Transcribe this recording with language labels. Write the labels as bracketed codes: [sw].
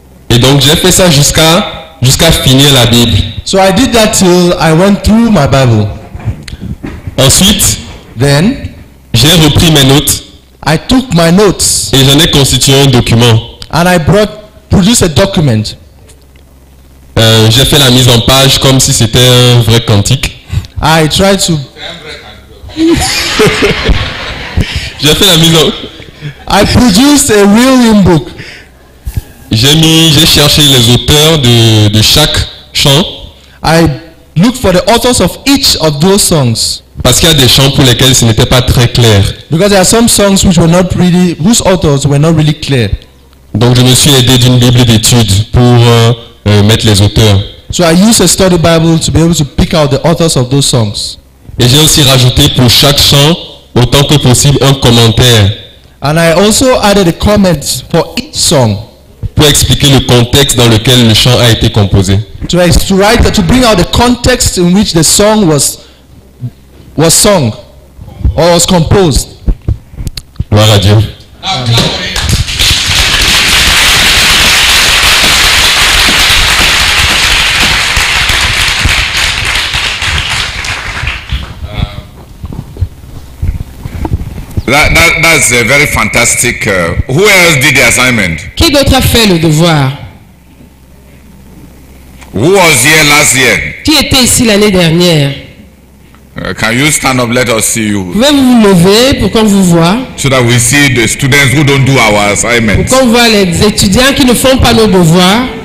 [fr] Et donc j'ai fait ça jusqu'à finir la Bible. [en] So I did that till I went through my Bible. [fr] Ensuite, [en] then, [fr] j'ai repris mes notes. [en] I took my notes. [fr] Et j'en ai constitué un document. [en] And I produced a document. [fr] J'ai fait la mise en page comme si c'était un vrai cantique. [en] I tried to. [fr] J'ai fait la mise en. [en] I produced a real hymn book. [fr] J'ai cherché les auteurs de chaque chant. [en] I looked for the authors of each of those songs. [fr] Parce qu'il y a des chants pour lesquels ce n'était pas très clair. [en] Because there are some songs which were not really, whose authors were not really clear. [fr] Donc je me suis aidé d'une Bible d'études pour mettre les auteurs. [en] So I used a study Bible to be able to pick out the authors of those songs. [fr] Et j'ai aussi rajouté pour chaque chant autant que possible un commentaire. [en] And I also added a comment for each song. [fr] Pour expliquer le contexte dans lequel le chant a été composé. [en] To bring out the context in which the song was sung or was composed. [fr] Gloire à Dieu. [en] That's very fantastic. Who else did the assignment? [fr] Qui d'autre a fait le devoir? [en] Who was here last year? [fr] Qui était ici l'année dernière? [en] Can you stand up? Let us see you. [fr] Pouvez-vous vous lever pour qu'on vous voie? [en] So that we see the students who don't do our assignment. [fr] Pour qu'on voit les étudiants qui ne font pas nos devoirs.